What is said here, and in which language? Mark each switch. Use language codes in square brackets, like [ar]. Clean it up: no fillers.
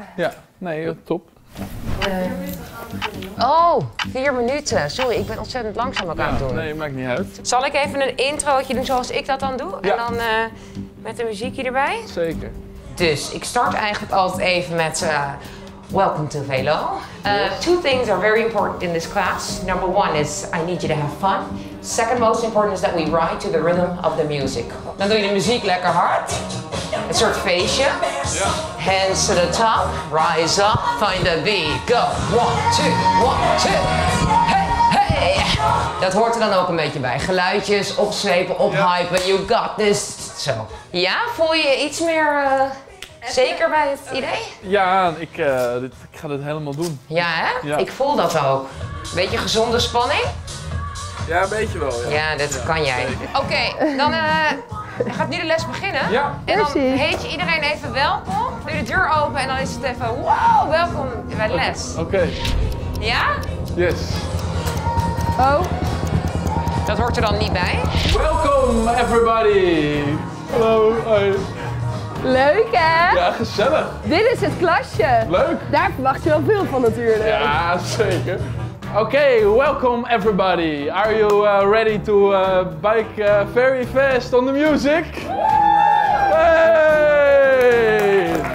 [nl] Ja. Nee, top. 4 minuten. Sorry, ik ben ontzettend langzaam aan het doen. Nee, maakt niet uit. Zal ik even een introotje doen zoals ik dat dan doe? Ja. En dan met de muziekje erbij? Zeker. Dus, ik start eigenlijk altijd even met... [en] Welcome to Velo. Two things are very important in this class. Number one is I need you to have fun. Second most important is that we ride to the rhythm of the music. [nl] Dan doe je de muziek lekker hard. Een soort feestje. Ja. [en] Hands to the top. Rise up. Find the beat. Go. 1, 2, 1, 2. Hey, hey. [nl] Dat hoort er dan ook een beetje bij. Geluidjes, opzwepen, ophypen. [en] You got this. [nl] Zo. Ja, voel je iets meer... zeker bij het idee? Ja, ik ga dit helemaal doen. Ja, hè? Ja. Ik voel dat ook. Beetje gezonde spanning? Ja, een beetje wel. Ja, kan jij. Oké, dan gaat nu de les beginnen. Ja. En dan heet je iedereen even welkom. Nu de deur open en dan is het even wow, welkom bij de les. Oké. Okay. Ja? [en] Yes. Oh. [nl] Dat hoort er dan niet bij. Welkom, everybody. Hallo. Hi. Leuk, hè? Ja, gezellig. Dit is het klasje. Leuk. Daar verwacht je wel veel van natuurlijk. Ja, zeker. [en] Okay, welcome everybody. Are you ready to bike very fast on the music? Hey!